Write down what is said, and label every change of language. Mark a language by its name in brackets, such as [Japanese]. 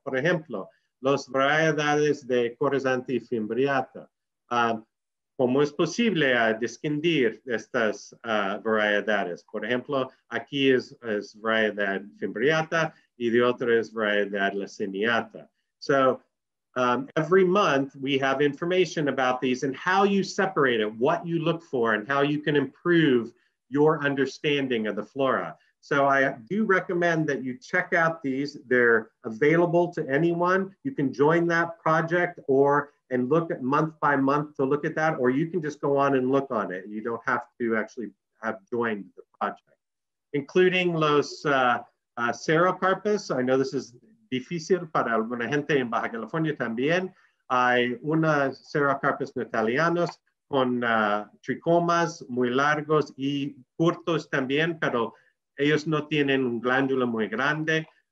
[Spanish] Por ejemplo, las variedades de Corizante y Fimbriata. cómo es posible distinguir estas variedades. Por ejemplo, aquí es variedad fimbriata y de otra es variedad laciniata. [English] So every month we have information about these and how you separate it, what you look for, and how you can improve your understanding of the flora. So I do recommend that you check out these. They're available to anyone. You can join that project and look at month by month to look at that, or you can just go on and look on it. You don't have to actually have joined the project, including los serocarpus. I know this is [Spanish] difícil para alguna gente en Baja California también. Hay una serocarpus natalianos con tricomas muy largos y cortos también, pero ellos no tienen un glándula muy grande.